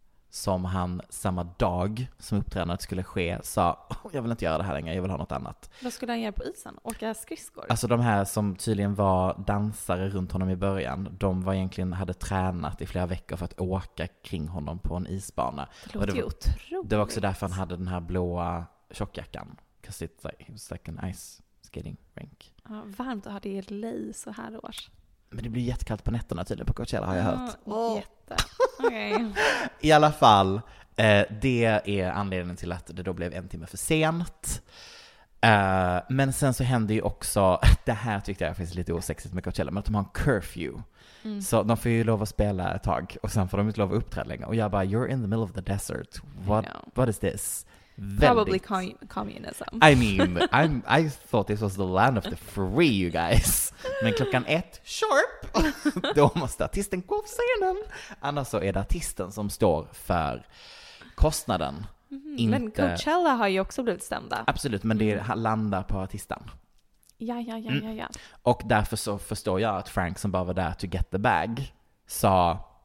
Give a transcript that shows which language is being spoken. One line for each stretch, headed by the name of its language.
Swedish: Som han samma dag som uppträdandet skulle ske sa, jag vill inte göra det här längre, jag vill ha något annat. Vad skulle han göra på isen? Åka skridskor? Alltså de här som tydligen var dansare runt honom i början, de var egentligen, hade tränat i flera veckor för att åka kring honom på en isbana. Det låter ju otroligt. Det var också därför han hade den här blåa tjockjackan.
English: Because it was like an ice skating rink.
Swedish: Ja, varmt att ha det i LA så här års. Men det blir jättekallt på nätterna tydligen på Coachella har jag hört. Jätte. Okay. I alla fall, det är anledningen till att det då blev en timme för sent. Men sen så hände ju också, det här tyckte jag finns lite osexigt med Coachella, men att de har en curfew. Mm. Så de får ju lov att spela ett tag och sen får de inte lov att uppträda längre. Och jag bara,
English: you're in the middle of the desert. What is this? Probably communism. I mean, I thought this was the land of the free, you guys.
Swedish: Men klockan 1, sharp, då måste artisten gå på scenen. Annars så är det artisten som står för kostnaden. Mm, inte... Men Coachella har ju också blivit stämda. Absolut, men det landar på artisten. Ja. Och därför så förstår jag att Frank som bara var där
English: to get the bag
Swedish: sa...